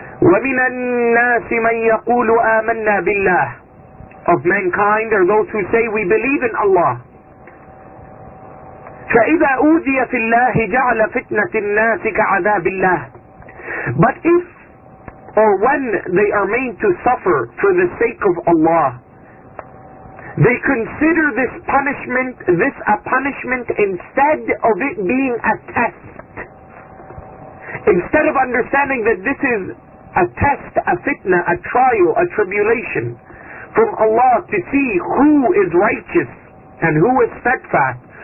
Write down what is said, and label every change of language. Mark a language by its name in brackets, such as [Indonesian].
[Arabic] ومن الناس من يقول آمنا بالله. [English] Of mankind are those who say we believe in Allah. [Arabic] فإذا أوذي في الله جعل فتنة الناس كعذاب الله. [English] But if or when they are made to suffer for the sake of Allah, they consider this punishment, this a punishment instead of it being a test. Instead of understanding that this is a test, a fitna, a trial, a tribulation from Allah to see who is righteous and who is steadfast.